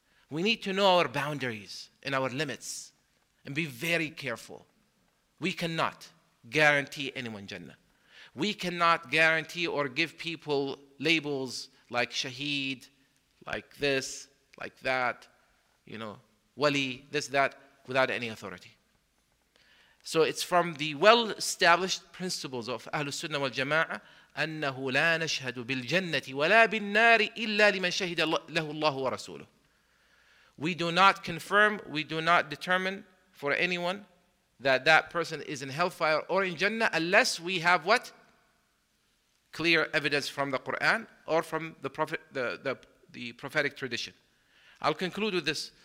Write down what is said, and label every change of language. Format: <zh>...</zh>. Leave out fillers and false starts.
<en>We need to know our boundaries and our limits and be very careful. We cannot guarantee anyone Jannah. We cannot guarantee or give people labels like Shaheed, like this, like that, Wali, this, that, without any authority. So it's from the well-established principles of Ahlus Sunnah wal Jama'ah,</en> <ar>أَنَّهُ لَا نَشْهَدُ بِالْجَنَّةِ وَلَا بِالنَّارِ إِلَّا لِمَنْ شَهِدَ لَهُ اللَّهُ وَرَسُولُهُ.</ar> <en>We do not confirm, we do not determine for anyone that person is in hellfire or in Jannah unless we have what? Clear evidence from the Quran or from the prophet, the prophetic tradition. I'll conclude with this.</en>